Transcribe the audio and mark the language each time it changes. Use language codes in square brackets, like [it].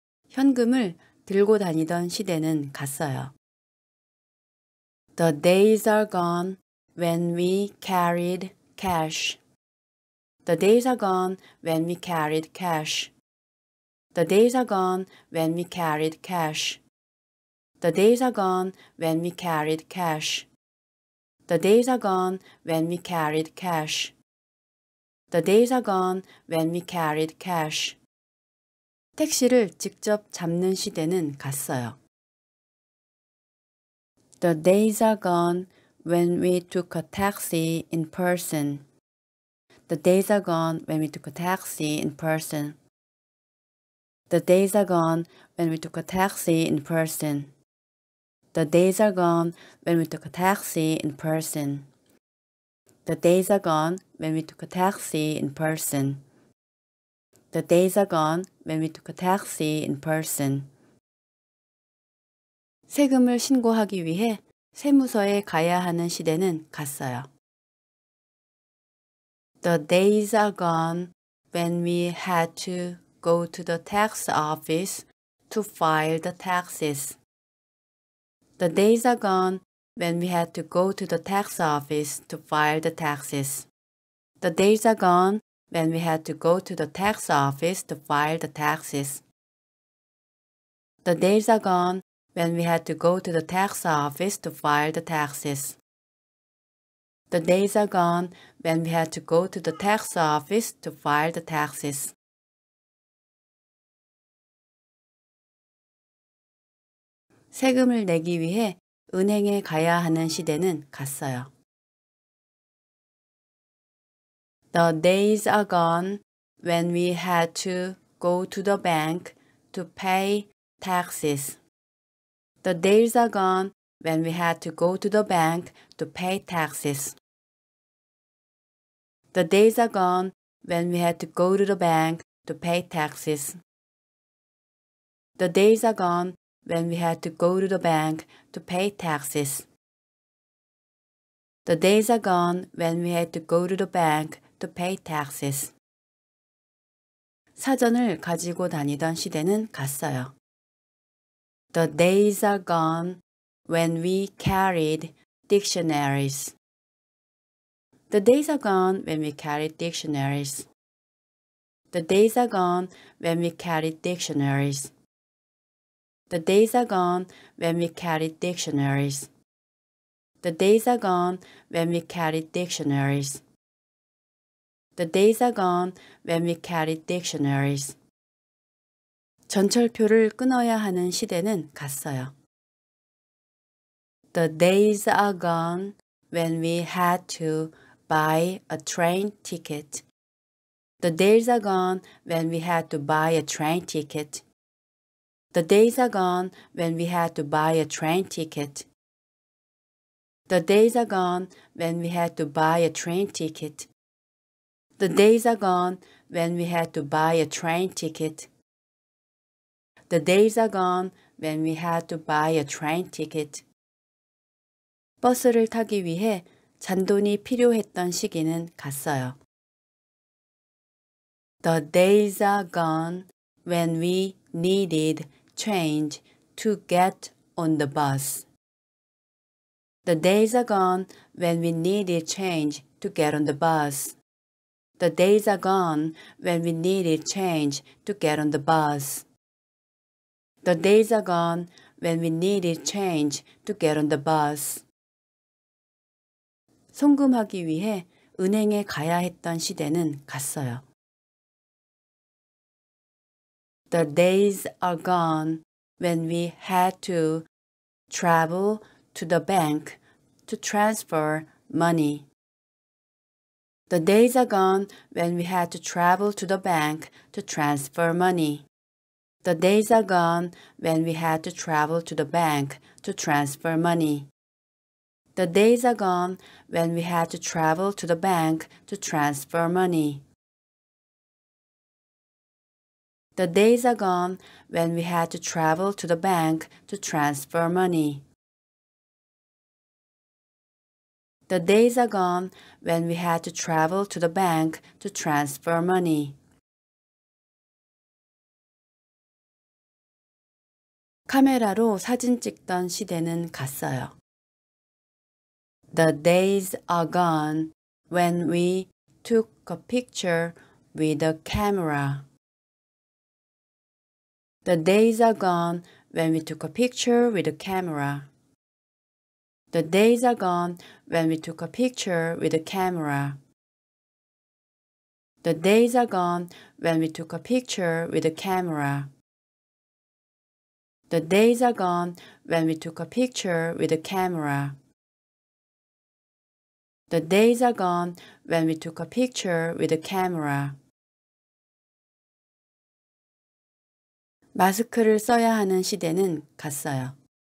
[ko] 현금을 들고 다니던 시대는 갔어요. [en] The days are gone when we carried cash. The days are gone when we carried cash. The days are gone when we carried cash. The days are gone when we carried cash. The days are gone when we carried cash. The days are gone when we carried cash. [ko] 택시를 직접 잡는 시대는 갔어요. [en] The days are gone when we took a taxi in person. The days are gone when we took a taxi in person. The days are gone when we took a taxi in person. The days are gone when we took a taxi in person. The days are gone when we took a taxi in person. The days are gone when we took a taxi in person. [ko] 세금을 신고하기 위해 세무서에 가야 하는 시대는 갔어요. [en] The days are gone when we had to go to the tax office to file the taxes. The days are gone when we had to go to the tax office to file the taxes. The days are gone when we had to go to the tax office to file the taxes. The days are gone when we had to go to the tax office to file the taxes. The days are gone when we had to go to the tax office to file the taxes. [ko] 세금을 내기 위해 은행에 가야 하는 시대는 갔어요. [en] The days are gone when we had to go to the bank to pay taxes. The days are gone when we had to go to the bank to pay taxes. The days are gone when we had to go to the bank to pay taxes. The days are gone when we had to go to the bank to pay taxes. The days are gone when we had to go to the bank to pay taxes. [ko] 사전을 가지고 다니던 시대는 갔어요. [en] The days are gone when we carried dictionaries. The days are gone when we carried dictionaries. The days are gone when we carried dictionaries. The days are gone when we carried dictionaries. The days are gone when we carried dictionaries. The days are gone when we carried dictionaries. [ko] 전철표를 끊어야 하는 시대는 갔어요. [en] The days are gone when we had to buy a train ticket. The days are gone when we had to buy a train ticket. The days are gone when we had to buy a train ticket. The days are gone when we had to buy a train ticket. The days are gone when we had to buy a train ticket. The days are gone when we had to buy a train ticket. [ko] 버스를 타기 위해 잔돈이 필요했던 시기는 갔어요. [en] The days are gone when we needed change to get on the bus. The days are gone when we needed change to get on the bus. The days are gone when we needed change to get on the bus. The days are gone when we needed change to get on the bus. [ko] 송금하기 위해 은행에 가야 했던 시대는 갔어요. [en] The days are gone when we had to travel to the bank to transfer money. The days are gone when we had to travel to the bank to transfer money. The days are gone when we had to travel to the bank to transfer money. The days are gone when we had to travel to the bank to transfer money. The days are gone when we had to travel to the bank to transfer money. The days are gone when we had to travel to the bank to transfer money. [ko] 카메라로 사진 찍던 시대는 갔어요. [en] The days are gone when we took a picture with a camera. The days are gone when we took a picture with a camera. The days are gone when we took a picture with a camera. The days are gone when we took a picture with a camera. The days are gone when we took a picture with a camera. The days are gone when we took a picture with a camera. [ko] 마스크를 써야 하는 시대는 갔어요.